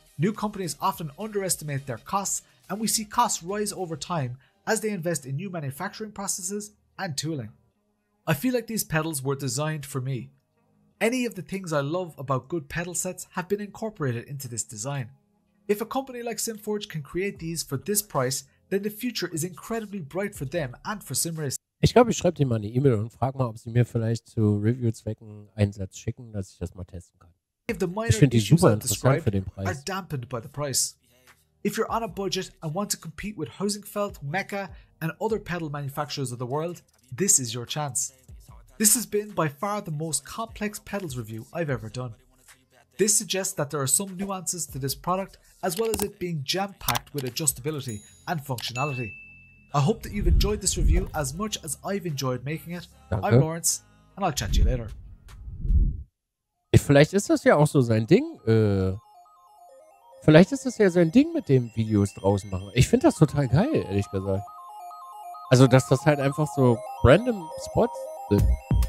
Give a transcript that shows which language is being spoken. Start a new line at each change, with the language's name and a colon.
English: New companies often underestimate their costs, and we see costs rise over time as they invest in new manufacturing processes and tooling. I feel like these pedals were designed for me. Any of the things I love about good pedal sets have been incorporated into this design. If a company like SimForge can create these for this price, then the future is incredibly bright for them and for SimRacing.
German: Ich glaube, ich schreibe dir mal eine E-Mail und frage mal, ob sie mir vielleicht zu Review-Zwecken einen Satz schicken, dass ich das mal testen kann. Ich finde die super interessant für den Preis.
English: Are dampened by the price. If you're on a budget and want to compete with Hosingfeld, Mecca and other pedal manufacturers of the world, this is your chance. This has been by far the most complex pedals review I've ever done. This suggests that there are some nuances to this product, as well as it being jam-packed with adjustability and functionality. I hope that you've enjoyed this review as much as I've enjoyed making it.
German: Danke.
English: I'm Lawrence, and I'll chat to you later.
German: Vielleicht ist das ja auch so sein Ding. Vielleicht ist das ja sein Ding mit dem Videos draußen machen. Ich finde das total geil, ehrlich gesagt. Also, dass das halt einfach so random Spots sind.